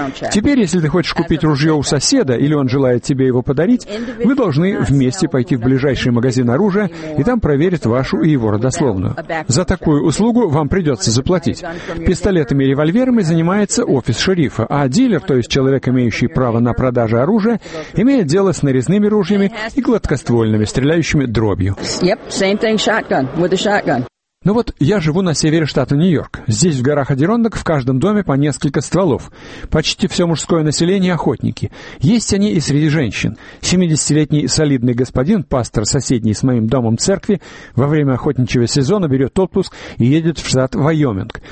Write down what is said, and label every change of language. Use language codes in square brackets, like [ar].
[ru] Теперь, если ты хочешь купить ружье у соседа, или он желает тебе его подарить, вы должны вместе пойти в ближайший магазин оружия, и там проверят вашу и его родословную. За такую услугу вам придется заплатить. Пистолетами и револьверами занимается офис шерифа, а дилер, то есть человек, имеющий право на продажу оружия, имеет дело с нарезными ружьями и гладкоствольными, стреляющими дробью. [en] Yep, same thing, shotgun, with a shotgun. [ru] Ну вот, я живу на севере штата Нью-Йорк. Здесь, в горах Адирондок, в каждом доме по несколько стволов. Почти все мужское население — охотники. Есть они и среди женщин. 70-летний солидный господин, пастор соседний с моим домом церкви, во время охотничьего сезона берет отпуск и едет в штат Вайоминг.